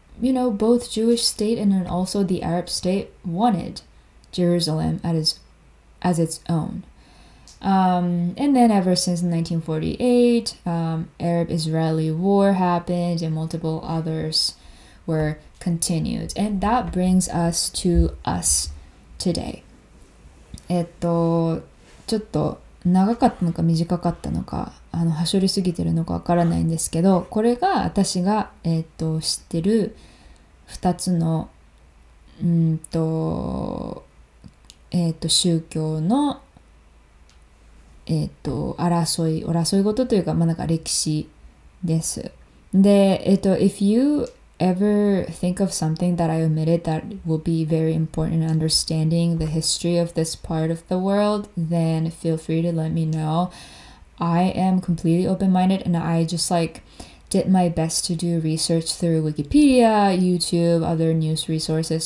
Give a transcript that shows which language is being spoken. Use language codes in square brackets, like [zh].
[en] You know, both Jewish state and then also the Arab state wanted Jerusalem as its own. And then ever since 1948, Arab-Israeli war happened and multiple others were continued. And that brings us to us today. [ja] ちょっと長かったのか短かったのか、はしょりすぎてるのかわからないんですけど、これが私が、知ってる2つの、宗教の、争いごとというか、まあ、なんか歴史です。 [en] で、if you ever think of something that I omitted that will be very important in understanding the history of this part of the world, then feel free to let me know. I am completely open-minded and I just like... did my best to do research through Wikipedia, YouTube, other news resources.